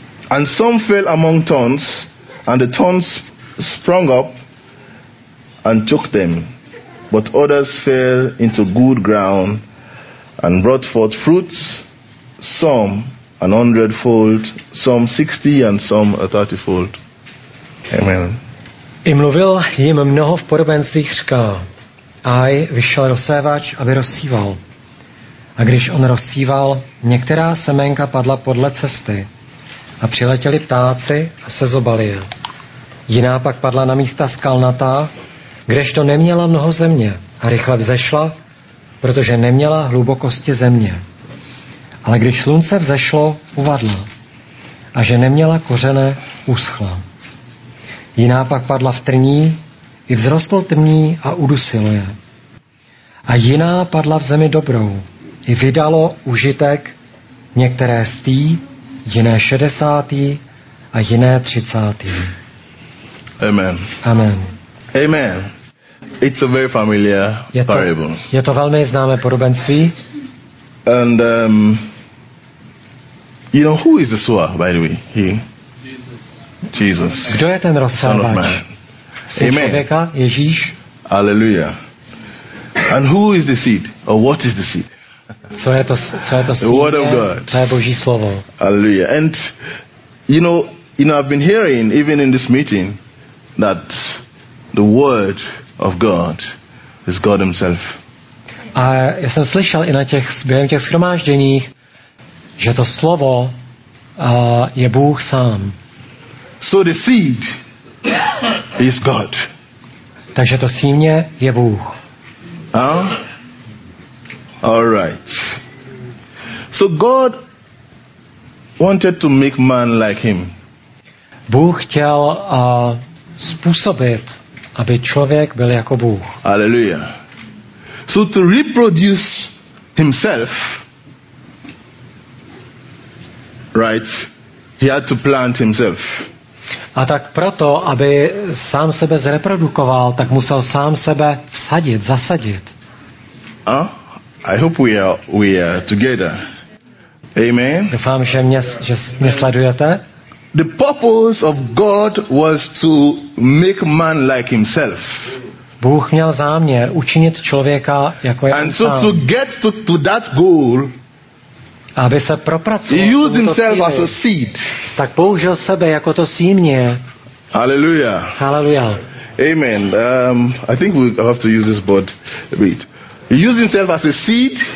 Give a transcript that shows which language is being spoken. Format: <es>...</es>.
<en>And some fell among thorns, and the thorns sprung up and took them, but others fell into good ground and brought forth fruits, some 100-fold, some 60, and some 30-fold. Amen.</en> <cs>I mluvil jim mnoho v podobenstvích, říkal, aj vyšel rozsévač, aby rozsíval. A když on rozsíval, některá semenka padla podle cesty a přiletěli ptáci a sezobali je. Jiná pak padla na místa skalnatá, kdežto neměla mnoho země a rychle vzešla, protože neměla hlubokosti země. Ale když slunce vzešlo, uvadla a že neměla kořene, uschla. Jiná pak padla v trní, i vzrostl trní a udusilo je. A jiná padla v zemi dobrou, i vydalo užitek, některé stý, jiné 60. a jiné 30. Amen. Amen. Amen.</cs> <en>It's a very familiar parable.</en> <cs>Je to velmi známé podobenství.</cs> <en>And you know who is the sower, by the way? He. Jesus.</en> <cs>Kdo je ten rozsévač? Amen. Člověka, Ježíš.</cs> <en>Hallelujah. And who is the seed? Or what is the seed?</en> <cs>Co je to seed?</cs> <en>The word of God.</en> <cs>To je Boží slovo. Hallelujah.</cs> <en>And you know, I've been hearing even in this meeting that the word of God is God himself.</en> <cs>A já jsem slyšel i na těch během těch shromážděních, že to slovo je Bůh sám.</cs> <en>So the seed is God.</en> <cs>Takže to sýmě je Bůh.</cs> <en>All right. So God wanted to make man like him.</en> <cs>Bůh chtěl způsobit, aby člověk byl jako Bůh. Hallelujah.</cs> <en>So to reproduce himself, right? He had to plant himself.</en> <cs>A tak proto, aby sám sebe zreprodukoval, tak musel sám sebe vsadit, zasadit.</cs> <en>I hope we are together. Amen.</en> <cs>Doufám, že mě sledujete.</cs> <en>The purpose of God was to make man like himself.</en> <cs>Bůh měl záměr učinit člověka jako je sám.</cs> <en>And so to get to that goal.</en> <cs>Aby se propracoval.</cs> <en>He used himself as a seed.</en> <cs>Tak použil sebe jako to sýmě. Hallelujah. Hallelujah. Amen.</cs> <en>I think we have to use this board a bit. He used himself as a seed.</en>